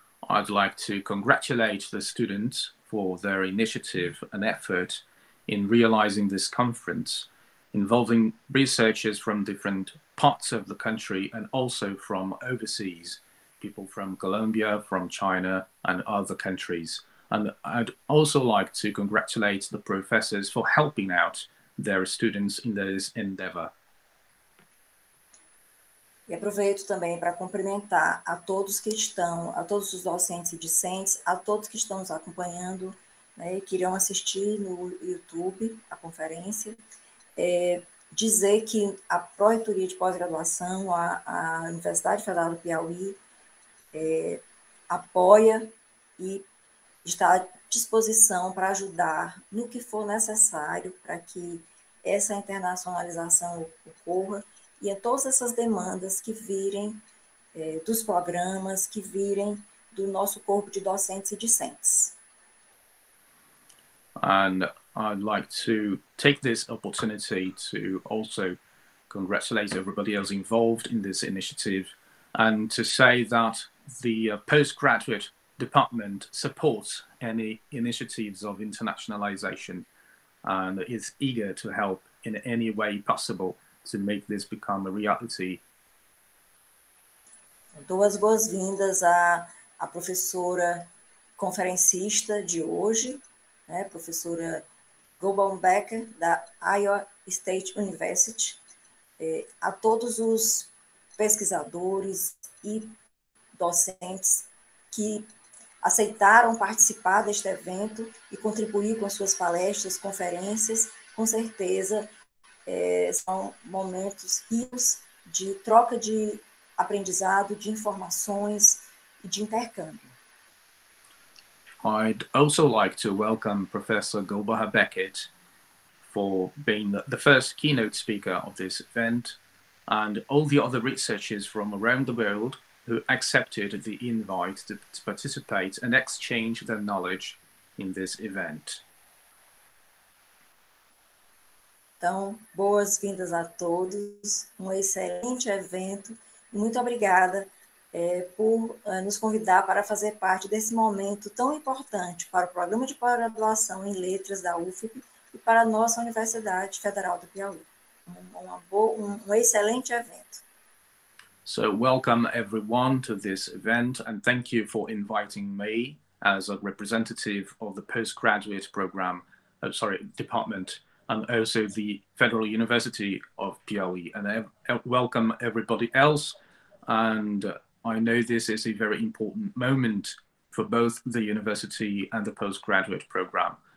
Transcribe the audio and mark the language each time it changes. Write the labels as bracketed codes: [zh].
[en] I'd like to congratulate the students for their initiative and effort in realizing this conference, involving researchers from different parts of the country and also from overseas, people from Colombia, from China and other countries. And I'd also like to congratulate the professors for helping out their students in this endeavor. [pt] E aproveito também para cumprimentar a todos que estão, a todos os docentes e discentes, a todos que estão nos acompanhando, né, e que irão assistir no YouTube a conferência. Dizer que a Pró-Reitoria de Pós-Graduação, a Universidade Federal do Piauí, apoia e está à disposição para ajudar no que for necessário para que essa internacionalização ocorra e a todas essas demandas que virem dos programas, que virem do nosso corpo de docentes e discentes. [en] And I'd like to take this opportunity to also congratulate everybody else involved in this initiative and to say that the postgraduate department supports any initiatives of internationalization and is eager to help in any way possible to make this become a reality. [pt] Dou as boas-vindas à professora conferencista de hoje, né, professora Gulbahar Beckett, da Iowa State University, a todos os pesquisadores e docentes que aceitaram participar deste evento e contribuir com suas palestras, conferências, com certeza são momentos ricos de troca de aprendizado, de informações e de intercâmbio. [en] I'd also like to welcome Professor Gulbahar Beckett for being the first keynote speaker of this event and all the other researchers from around the world who accepted the invite to participate and exchange their knowledge in this event. [pt] Então, boas-vindas a todos, um excelente evento. Muito obrigada por nos convidar para fazer parte desse momento tão importante para o Programa de Pós-Graduação em Letras da UFIP e para a nossa Universidade Federal do Piauí. Um excelente evento. [en] So, welcome everyone to this event and thank you for inviting me as a representative of the postgraduate program, department, and also the Federal University of Piauí. And I welcome everybody else. And I know this is a very important moment for both the university and the postgraduate program.